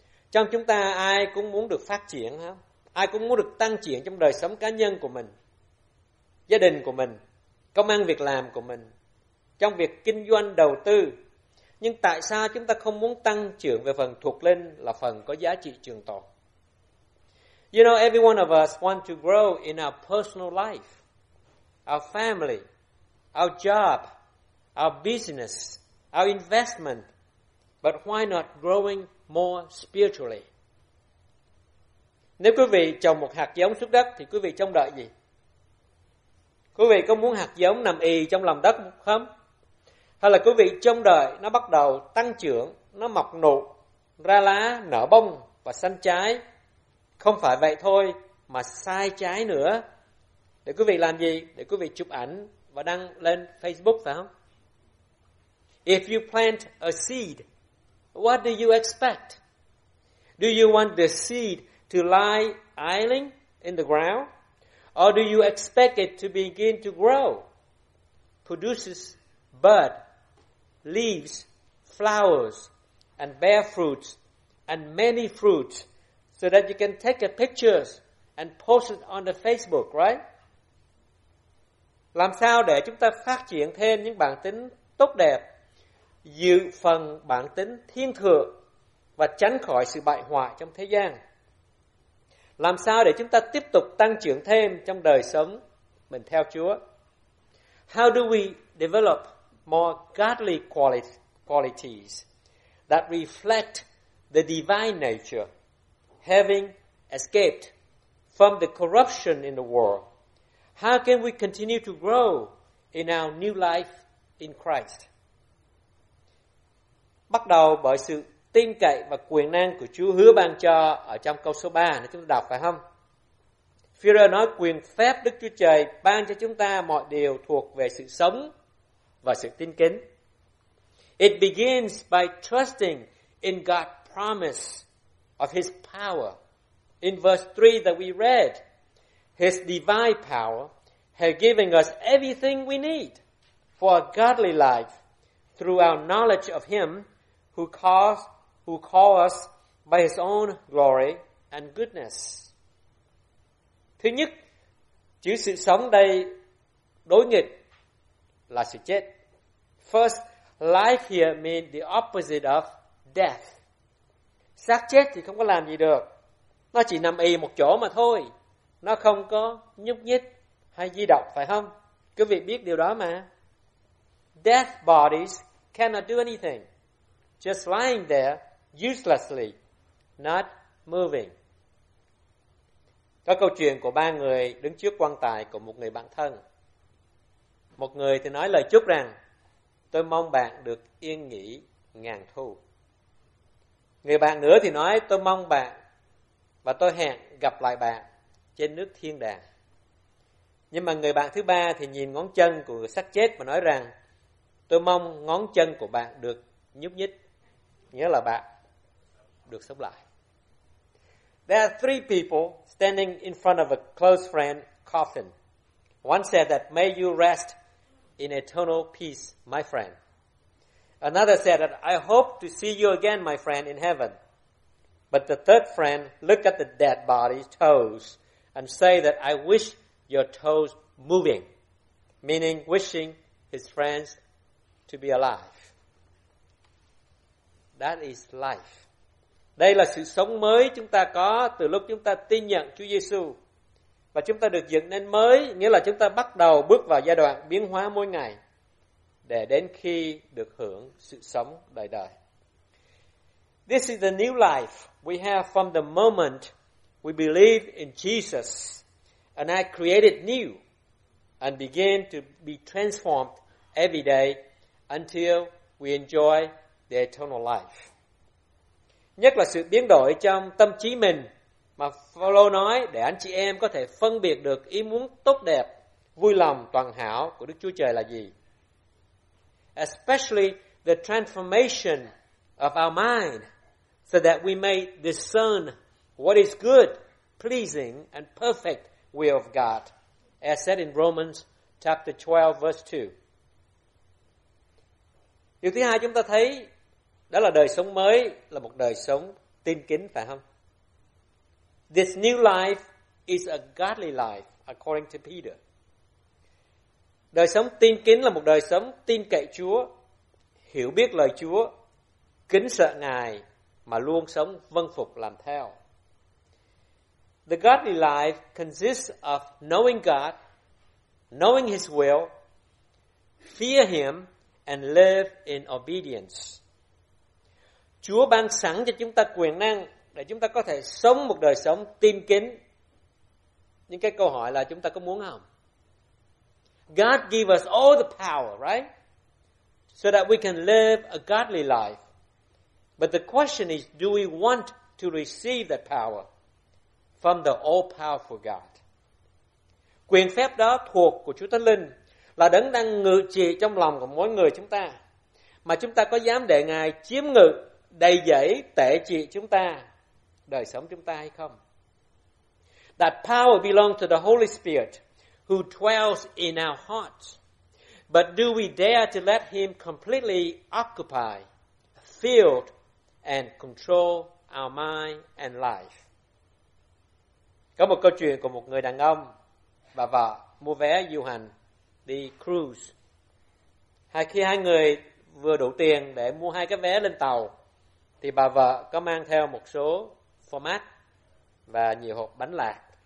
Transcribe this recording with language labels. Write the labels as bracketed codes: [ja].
[vi] Trong chúng ta ai cũng muốn được phát triển, không? Ai cũng muốn được tăng trưởng trong đời sống cá nhân của mình, gia đình của mình, công ăn việc làm của mình, trong việc kinh doanh đầu tư. Nhưng tại sao chúng ta không muốn tăng trưởng về phần thuộc linh, là phần có giá trị trường tồn? [en] You know, every one of us want to grow in our personal life, our family, our job, our business, our investment. But why not growing more spiritually? [vi] Nếu quý vị trồng một hạt giống xuống đất thì quý vị trông đợi gì? Quý vị có muốn hạt giống nằm y trong lòng đất không? Hay là quý vị trông đợi nó bắt đầu tăng trưởng, nó mọc nụ, ra lá, nở bông và xanh trái? Không phải vậy thôi mà sai trái nữa. Để quý vị làm gì? Để quý vị chụp ảnh và đăng lên Facebook, phải không? [en] If you plant a seed, what do you expect? Do you want the seed to lie idling in the ground? Or do you expect it to begin to grow, produces bud, leaves, flowers, and bear fruits, and many fruits, so that you can take a picture and post it on the Facebook, right? [vi] Làm sao để chúng ta phát triển thêm những bản tính tốt đẹp, dự phần bản tính thiên thượng và tránh khỏi sự bại hoại trong thế gian? Làm sao để chúng ta tiếp tục tăng trưởng thêm trong đời sống mình theo Chúa? [en] How do we develop more godly qualities that reflect the divine nature, having escaped from the corruption in the world? How can we continue to grow in our new life in Christ? [vi] Bắt đầu bởi sự tin cậy và quyền năng của Chúa hứa ban cho ở trong câu số 3 để chúng ta đọc phải không? Phi-rơ nói quyền phép Đức Chúa Trời ban cho chúng ta mọi điều thuộc về sự sống và sự tin kính. [en] It begins by trusting in God's promise of His power. In verse 3 that we read, His divine power has given us everything we need for a godly life through our knowledge of Him who call us by His own glory and goodness. [vi] Thứ nhất, chữ sự sống đây đối nghịch là sự chết. [en] First, life here means the opposite of death. [vi] Xác chết thì không có làm gì được. Nó chỉ nằm y một chỗ mà thôi. Nó không có nhúc nhích hay di động, phải không? Quý vị biết điều đó mà. [en] Death bodies cannot do anything. Just lying there, uselessly, not moving. [vi] Có câu chuyện của ba người đứng trước quan tài của một người bạn thân. Một người thì nói lời chúc rằng, tôi mong bạn được yên nghỉ ngàn thu. Người bạn nữa thì nói, tôi mong bạn và tôi hẹn gặp lại bạn trên nước thiên đàng. Nhưng mà người bạn thứ ba thì nhìn ngón chân của xác chết và nói rằng, tôi mong ngón chân của bạn được nhúc nhích. Nghĩa là bạn được sống lại. [en] There are three people standing in front of a close friend coffin. One said that, may you rest in eternal peace, my friend. Another said that, I hope to see you again, my friend, in heaven. But the third friend looked at the dead body's toes and say that, I wish your toes moving, meaning wishing his friends to be alive. That is life. [vi] Đây là sự sống mới chúng ta có từ lúc chúng ta tin nhận Chúa Giêsu. Và chúng ta được dựng nên mới, nghĩa là chúng ta bắt đầu bước vào giai đoạn biến hóa mỗi ngày để đến khi được hưởng sự sống đời đời. [en] This is the new life we have from the moment we believe in Jesus and are created new and begin to be transformed every day until we enjoy the eternal life. [vi] Nhất là sự biến đổi trong tâm trí mình mà Phaolô nói để anh chị em có thể phân biệt được ý muốn tốt đẹp, vui lòng, toàn hảo của Đức Chúa Trời là gì. [en] Especially the transformation of our mind so that we may discern what is good, pleasing and perfect will of God, as said in Romans chapter 12 verse 2. [vi] Điều thứ hai chúng ta thấy đó là đời sống mới là một đời sống tin kính, phải không? [en] This new life is a godly life, according to Peter. [vi] Đời sống tin kính là một đời sống tin cậy Chúa, hiểu biết lời Chúa, kính sợ Ngài, mà luôn sống vâng phục làm theo. [en] The godly life consists of knowing God, knowing His will, fear Him, and live in obedience. [vi] Chúa ban sẵn cho chúng ta quyền năng để chúng ta có thể sống một đời sống tin kính. Nhưng cái câu hỏi là chúng ta có muốn không? [en] God gives us all the power, right? So that we can live a godly life. But the question is, do we want to receive that power from the all-powerful God? [vi] Quyền phép đó thuộc của Chúa Thánh Linh, là đấng đang ngự trị trong lòng của mỗi người chúng ta. Mà chúng ta có dám để Ngài chiếm ngự đầy dẫy tệ trị chúng ta, đời sống chúng ta hay không? [en] That power belongs to the Holy Spirit who dwells in our hearts. But do we dare to let him completely occupy, fill, and control our mind and life? [vi] Có một câu chuyện của một người đàn ông và vợ mua vé du hành đi cruise. Hay khi hai người vừa đủ tiền để mua hai cái vé lên tàu, thì bà vợ có mang theo một số format và nhiều hộp bánh lạc.